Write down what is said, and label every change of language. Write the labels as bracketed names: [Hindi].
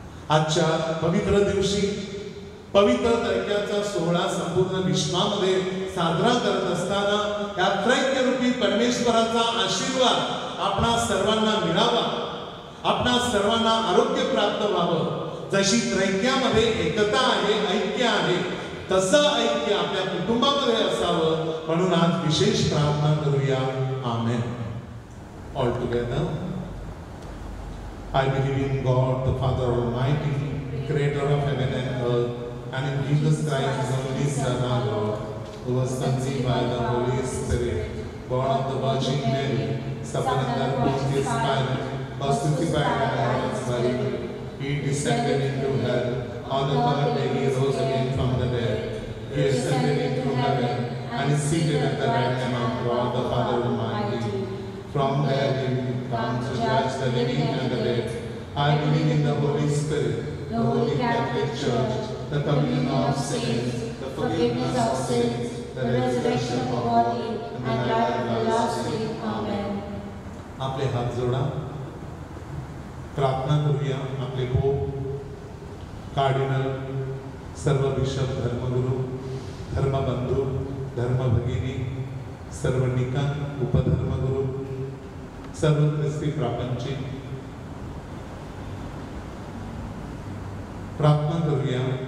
[Marathi] आजच्या पवित्र दिवशी पवित्र त्रैक्याचा सोहळा संपूर्ण विश्वामध्ये साजरा करत असताना या त्रैक्यरूपी परमेश्वराचा आशीर्वाद आपणा सर्वांना मिळावा, आपणा सर्वांना आरोग्य प्राप्त व्हावं. जशी त्रैक्यामध्ये एकता आहे, ऐक्य आहे, तसं ऐक्य आपल्या कुटुंबामध्ये असावं म्हणून आज विशेष प्रार्थना करूया. [English] Amen. All together. I believe in God the Father Almighty, creator of heaven and earth, and in Jesus Christ, his only Son, our Lord, who was conceived by the Holy Spirit, born of the Virgin Mary, suffered under Pontius Pilate, was crucified and was buried. He descended into hell. On the third day, he rose again from the dead. He ascended into heaven and is seated at the right hand of God the Father Almighty. From there, he will come to judge the living and the dead. I believe in the Holy Spirit, the Holy Catholic Church, the communion of saints, the forgiveness of sins, the resurrection of the body, and the life of the last day. Amen. [Marathi] आपले हात जोडा, प्रार्थना करूया. आपले pope, cardinal, सर्व bishop, धर्मगुरु, धर्मबंधू, धर्मभगिनी, सर्व निकन, उपधर्मगुरु, सर्व ख्रिस्ती प्रापंचिक, प्रार्थना करूया.